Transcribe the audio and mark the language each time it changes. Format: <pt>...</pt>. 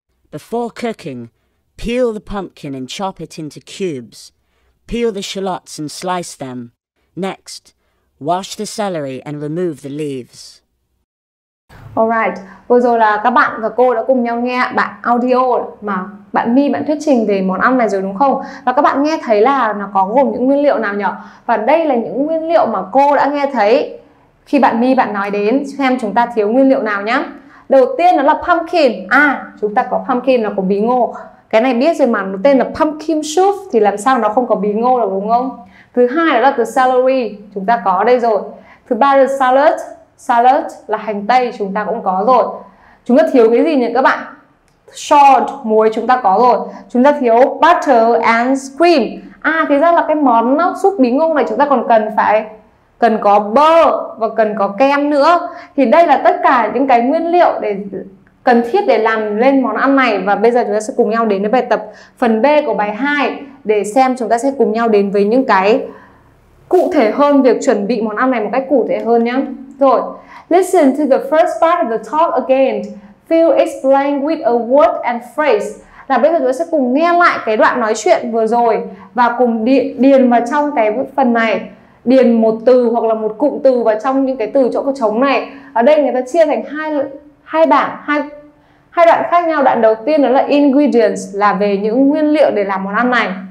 <en>Before cooking, peel the pumpkin and chop it into cubes. Peel the shallots and slice them. Next, wash the celery and remove the leaves.</en> <vi>Alright, vừa rồi là các bạn và cô đã cùng nhau nghe bạn audio mà bạn My bạn thuyết trình về món ăn này rồi đúng không? Và các bạn nghe thấy là nó có gồm những nguyên liệu nào nhở? Và đây là những nguyên liệu mà cô đã nghe thấy khi bạn My bạn nói đến, xem chúng ta thiếu nguyên liệu nào nhá. Đầu tiên đó là pumpkin. À, chúng ta có pumpkin là có bí ngô. Cái này biết rồi mà, nó tên là pumpkin soup thì làm sao nó không có bí ngô được đúng không? Thứ hai đó là từ celery, chúng ta có ở đây rồi. Thứ ba là salad. Salad là hành tây, chúng ta cũng có rồi. Chúng ta thiếu cái gì nhỉ các bạn? Salt, muối chúng ta có rồi. Chúng ta thiếu</vi> <en>butter and cream.</en> <vi>À, thì ra là cái món súp bí ngô này chúng ta còn cần phải cần có bơ và cần có kem nữa. Thì đây là tất cả những cái nguyên liệu để cần thiết để làm lên món ăn này. Và bây giờ chúng ta sẽ cùng nhau đến với bài tập phần B của bài 2 để xem chúng ta sẽ cùng nhau đến với những cái cụ thể hơn, việc chuẩn bị món ăn này một cách cụ thể hơn nhé.</vi> <en>Rồi, listen to the first part of the talk again. Fill it blank with a word and phrase.</en> <vi>Là bây giờ tôi sẽ cùng nghe lại cái đoạn nói chuyện vừa rồi và cùng điền vào trong cái phần này, điền một từ hoặc là một cụm từ vào trong những cái từ chỗ có trống này. Ở đây người ta chia thành hai đoạn khác nhau. Đoạn đầu tiên đó là ingredients, là về những nguyên liệu để làm món ăn này.</vi>